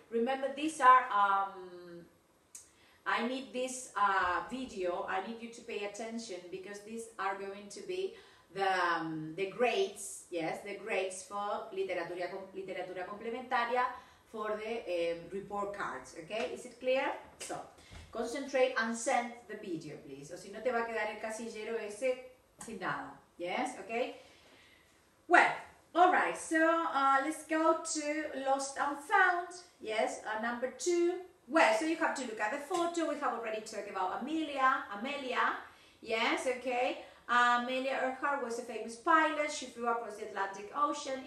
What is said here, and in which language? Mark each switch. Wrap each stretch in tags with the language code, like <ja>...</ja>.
<en>Remember, these are, I need this video, I need you to pay attention, because these are going to be the grades, yes, the grades for literatura complementaria, for the report cards, okay? Is it clear? So, concentrate and send the video, please.</en> <es>O si no, te va a quedar el casillero ese sin nada.</es> <en>Yes, okay? Well, all right, so let's go to lost and found. Yes, number two. Well, so you have to look at the photo. We have already talked about Amelia, yes, okay? Amelia Earhart was a famous pilot. She flew across the Atlantic Ocean.</en>